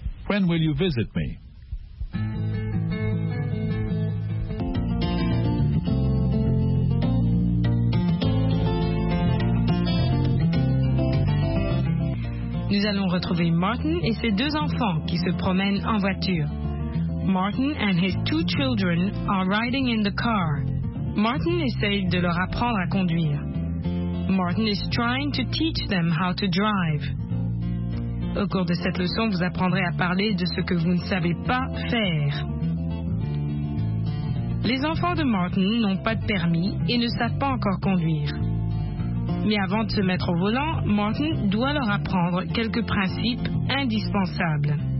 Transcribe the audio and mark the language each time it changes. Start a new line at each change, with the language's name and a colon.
English: When will you visit me?
French: Nous allons retrouver Martin et ses deux enfants qui se promènent en voiture.
English: Martin and his two children are riding in the car.
French: Martin essaye de leur apprendre à conduire.
English: Martin is trying to teach them how to drive.
French: Au cours de cette leçon, vous apprendrez à parler de ce que vous ne savez pas faire. Les enfants de Martin n'ont pas de permis et ne savent pas encore conduire. Mais avant de se mettre au volant, Martin doit leur apprendre quelques principes indispensables.